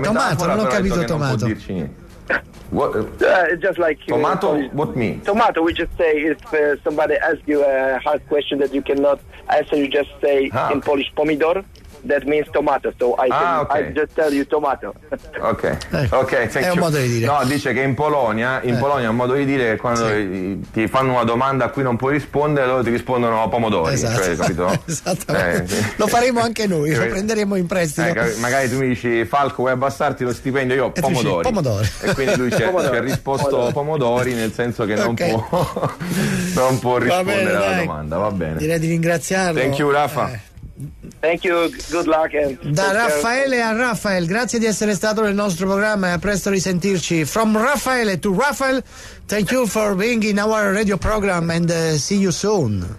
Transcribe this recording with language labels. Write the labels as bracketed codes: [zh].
[it] Tomato, non ho capito Tomato. [en] Just like Tomato, what mean? Tomato, we just say if somebody asks you a hard question that you cannot answer, you just say in Polish pomidor. that means tomato, so I can, okay. I just tell you tomato. Ok, ok, thank [it] è [en] you. [it] Un modo di dire. No, dice che in Polonia, in Polonia è un modo di dire quando ti fanno una domanda a cui non puoi rispondere, loro ti rispondono a pomodori. Esatto. Cioè, capito? Esattamente. Lo faremo anche noi, lo prenderemo in prestito. Magari tu mi dici, Falco, vuoi abbassarti lo stipendio? Io ho pomodori. Dici, pomodori. E quindi lui ci ha risposto pomodori, nel senso che non può non può rispondere bene, alla dai. Domanda, va bene. Direi di ringraziarlo. [en] Thank you, Rafa. Thank you, good luck. And [it] da Raffaele a Rafael, grazie di essere stato nel nostro programma e a presto risentirci. [en] From Raffaele to Rafael, thank you for being in our radio program and see you soon.